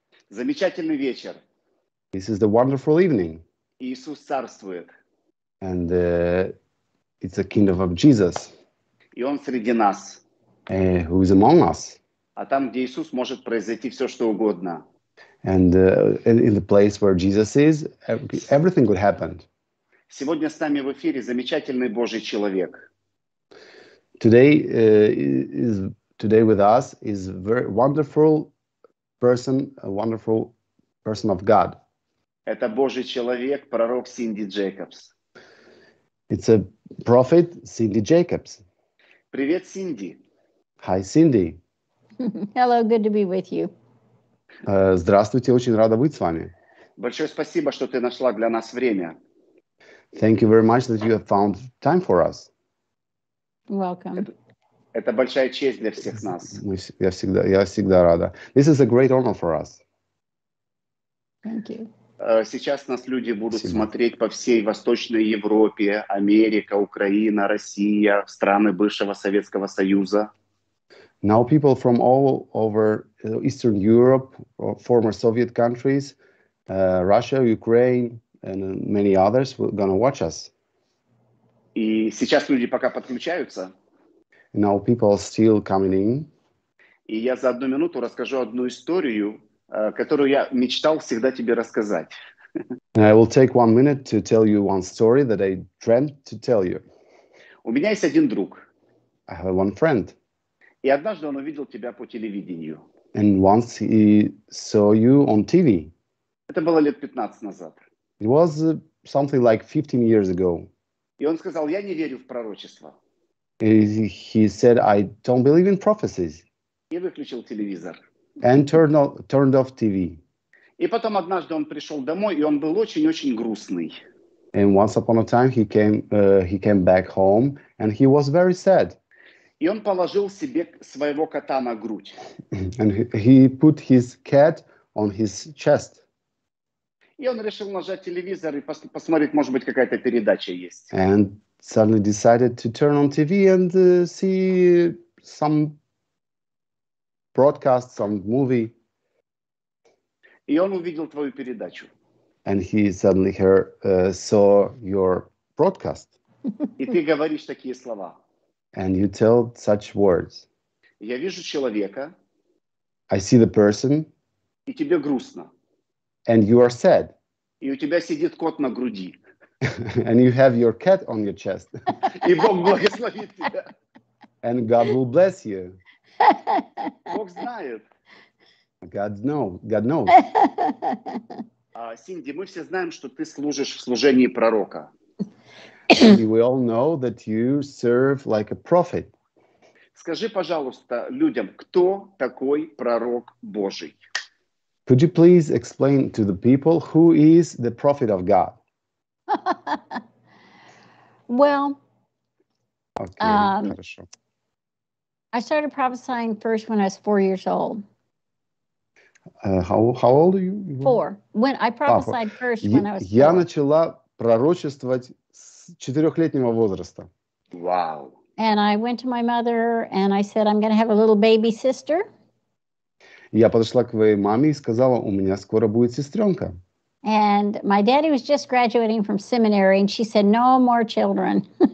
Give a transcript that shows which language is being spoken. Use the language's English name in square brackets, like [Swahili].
[Russian] Замечательный вечер. [English] This is the wonderful evening. [Russian] Иисус царствует. [English] And it's the kingdom of Jesus. [Russian] И он среди нас. [English] Who is among us? [Russian] А там, где Иисус, может произойти все, что угодно. [English] And in the place where Jesus is, everything could happen. [Russian] Сегодня с нами в эфире замечательный Божий человек. [English] Today with us is a very wonderful person, a wonderful person of God. [Russian] Это Божий человек, пророк Синди Джейкобс. [English] It's a prophet, Синди Джейкобс. [Russian] Привет, Синди. [English] Hi, Синди. Hello, good to be with you. [Russian] Здравствуйте, очень рада быть с вами. Большое спасибо, что ты нашла для нас время. [English] Thank you very much that you have found time for us. Welcome. [Russian] Это большая честь для всех нас. Я всегда рада. [English] This is a great honor for us. Thank you. [Russian] Сейчас нас люди будут смотреть по всей Восточной Европе, Америка, Украина, Россия, страны бывшего Советского Союза. [English] Now people from all over Eastern Europe, former Soviet countries, Russia, Ukraine, and many others are going to watch us. [Russian] И сейчас люди пока подключаются. [English] Now people are still coming in. [Russian] И я за одну минуту расскажу одну историю, которую я мечтал всегда тебе рассказать. [English] I will take one minute to tell you one story that I dreamt to tell you. [Russian] У меня есть один друг. [English] I have one friend. [Russian] И однажды он увидел тебя по телевидению. [English] And once he saw you on TV. [Russian] Это было лет 15 назад. [English] It was something like 15 years ago. [Russian] И он сказал, я не верю в пророчество. [English] He said, I don't believe in prophecies. [Russian] И выключил телевизор. [English] And turned off TV. [Russian] И потом однажды он пришел домой, и он был очень-очень грустный. [English] And once upon a time he came back home, and he was very sad. [Russian] И он положил себе своего кота на грудь. [English] And he put his cat on his chest. [Russian] И он решил нажать телевизор и посмотреть, может быть, какая-то передача есть. [English] And suddenly decided to turn on TV and see some broadcast, some movie. [Russian] И он увидел твою передачу. [English] And he suddenly saw your broadcast. [Russian] И ты говоришь такие слова. [English] And you tell such words. [Russian] Я вижу человека. [English] I see the person. [Russian] И тебе грустно. [English] And you are sad. [Russian] И у тебя сидит кот на груди. [English] And you have your cat on your chest. [Russian] И Бог благословит тебя. [English] And God will bless you. [Russian] Бог знает. [English] God knows. [Russian] Синди, мы все знаем, что ты служишь в служении пророка. [English] We all know that you serve like a prophet. [Russian] Скажи, пожалуйста, людям, кто такой пророк Божий? [English] Could you please explain to the people who is the prophet of God? Well, okay, I started prophesying first when I was 4 years old. How old are you? Four. When I prophesied first when I was four. [Russian] Я начала пророчествовать с четырехлетнего возраста. [English] Wow. And I went to my mother and I said, I'm going to have a little baby sister. [Russian] Я подошла к моей маме и сказала, у меня скоро будет сестренка. [English] And my daddy was just graduating from seminary, and she said, no more children.